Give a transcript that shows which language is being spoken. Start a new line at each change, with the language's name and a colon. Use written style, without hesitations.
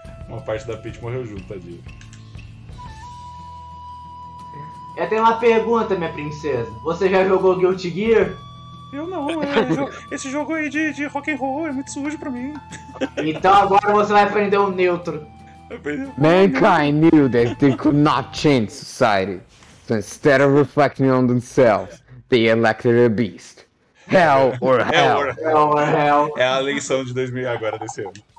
Portuguese: Uma parte da Peach morreu junto, tadinho. Eu tenho uma pergunta, minha princesa. Você já jogou Guilty Gear? Eu não, esse jogo aí de rock'n'roll é muito sujo pra mim. Então agora você vai aprender o neutro.
English: Mankind knew that they could not change society. So instead of reflecting on themselves, they elected a beast. Hell or hell.
Portuguese: É a eleição de 2000 agora desse ano.